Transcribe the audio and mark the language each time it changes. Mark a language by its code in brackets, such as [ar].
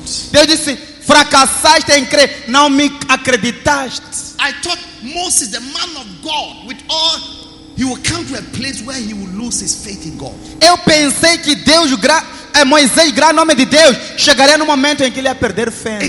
[pt] Deus disse, fracassaste em crer, não me acreditaste. [en] I thought Moses, the man of God, with all, he will come to a place where he will lose his faith in God. [pt] Eu pensei que Deus, Moisés, grande nome de Deus, chegaria no momento em que ele ia perder fé em